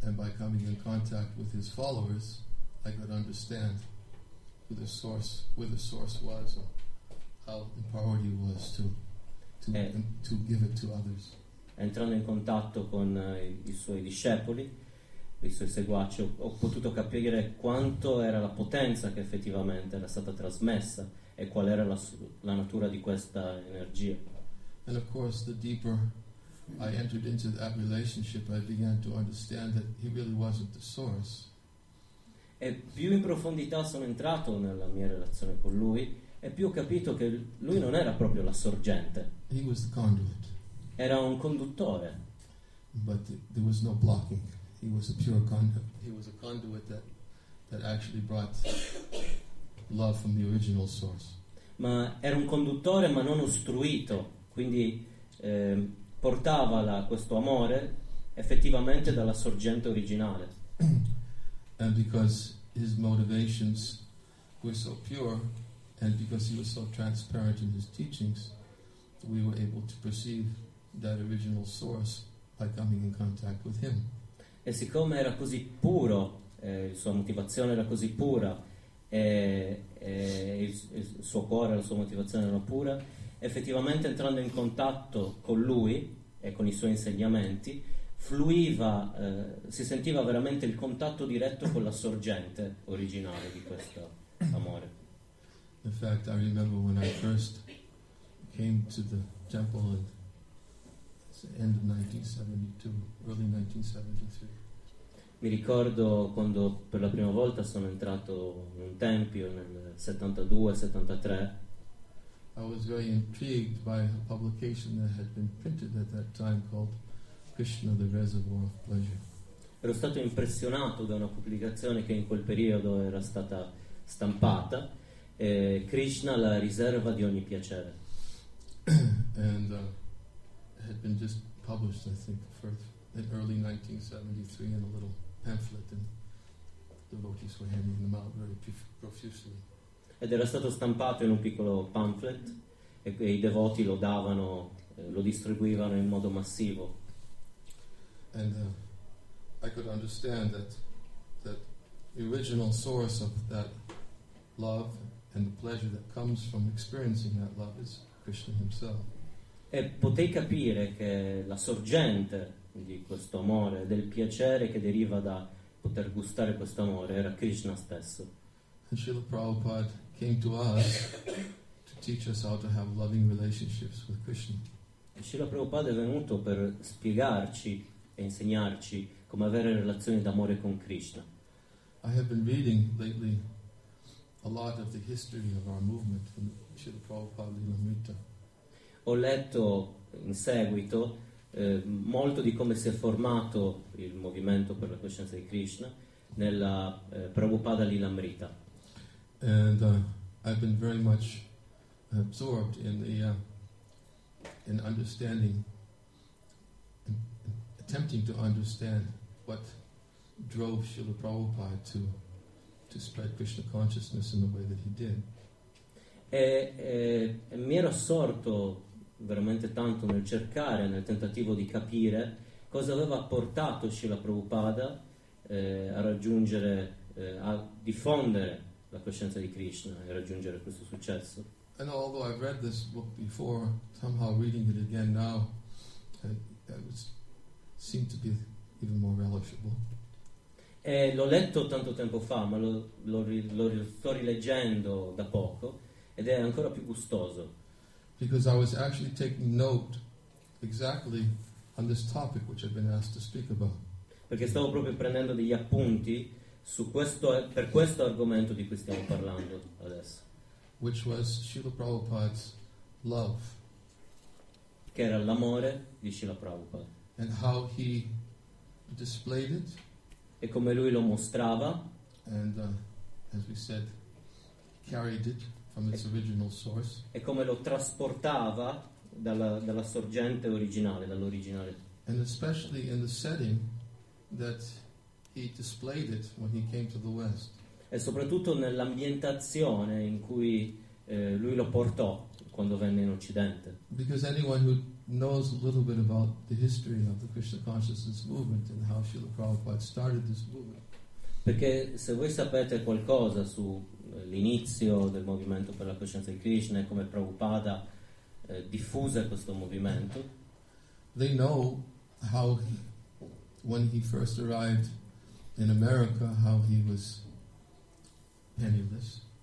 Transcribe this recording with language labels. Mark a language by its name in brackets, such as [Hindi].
[English] And by coming in contact with his followers, I could understand where the source was, or how empowered he was to give it to others. [Italian] Entrando in contatto con i suoi discepoli, i suoi seguaci, ho potuto capire quanto era la potenza che effettivamente era stata trasmessa e qual era la natura di questa energia. [English] And of course, the deeper I entered into that relationship, I began to understand that he really wasn't the source. [Italian] E più in profondità sono entrato nella mia relazione con lui e più ho capito che lui non era proprio la sorgente. [English] He was the conduit. [Italian] Era un conduttore. [English] But there was no blocking. He was a pure conduit. He was a conduit that actually brought love from the original source. [Italian] Ma era un conduttore, ma non ostruito. Quindi portava questo amore effettivamente dalla sorgente originale. [English] And because his motivations were so pure, and because he was so transparent in his teachings, we were able to perceive that original source by coming in contact with him. [Italian] E siccome era così puro, la sua motivazione era così pura, e il suo cuore, la sua motivazione era pura, effettivamente entrando in contatto con lui e con i suoi insegnamenti, si sentiva veramente il contatto diretto con la sorgente originale di questo amore. [English] In fact, I remember when I first came to the temple at the end of 1972, early 1973. [Italian] Mi ricordo quando per la prima volta sono entrato in un tempio nel 72-73. [English] I was very intrigued by a publication that had been printed at that time called Krishna, the Reservoir of Pleasure. [Italian] Ero stato impressionato da una pubblicazione che in quel periodo era stata stampata, Krishna, la riserva di ogni piacere. [English] And had been just published, I think, in early 1973 in a little pamphlet, and the devotees were handing them out very profusely. [Italian] Ed era stato stampato in un piccolo pamphlet e i devoti lo davano, lo distribuivano in modo massivo. [English] And I could understand that the original source of that love and the pleasure that comes from experiencing that love is Krishna himself. [Italian] E potei capire che la sorgente di questo amore, del piacere che deriva da poter gustare questo amore, era Krishna stesso. [English] Srila Prabhupada came to us to teach us how to have loving relationships with Krishna. [Italian] Srila Prabhupada è venuto per spiegarci e insegnarci come avere relazioni d'amore con Krishna. [English] I have been reading lately a lot of the history of our movement from Srila Prabhupada Lilamrita. [Italian] Ho letto in seguito molto di come si è formato il movimento per la coscienza di Krishna nella Prabhupada Lilamrita. [English] And I've been very much absorbed in the in understanding, in attempting to understand what drove Srila Prabhupada to spread Krishna consciousness in the way that he did. [Italian] E mi ero assorto veramente tanto nel cercare, nel tentativo di capire cosa aveva portato Srila Prabhupada a raggiungere, a diffondere la coscienza di Krishna e raggiungere questo successo. [English] And although I've read this book before, somehow reading it again now, it seemed to be even more relishable. [Italian] E l'ho letto tanto tempo fa, ma sto rileggendo da poco ed è ancora più gustoso. [English] Because I was actually taking note exactly on this topic which I've been asked to speak about. [Italian] Perché stavo proprio prendendo degli appunti su questo, per questo argomento di cui stiamo parlando adesso. [English] Which was Srila Prabhupada's love. [Italian] Che era l'amore di Srila Prabhupada. [English] And how he displayed it. [Italian] E come lui lo mostrava. [English] And as we said, carried it from its original source. [Italian] E come lo trasportava dalla sorgente originale, dall'originale. [English] And especially in the setting that he displayed it when he came to the West. [Italian] E soprattutto nell'ambientazione in cui lui lo portò quando venne in Occidente. [English] Because anyone who knows a little bit about the history of the Krishna consciousness movement and how Srila Prabhupada started this movement. [Italian] Perché se voi sapete qualcosa su l'inizio del movimento per la coscienza di Krishna e come Prabhupada diffuse questo movimento. [English] They know how when he first arrived in America, how he was penniless.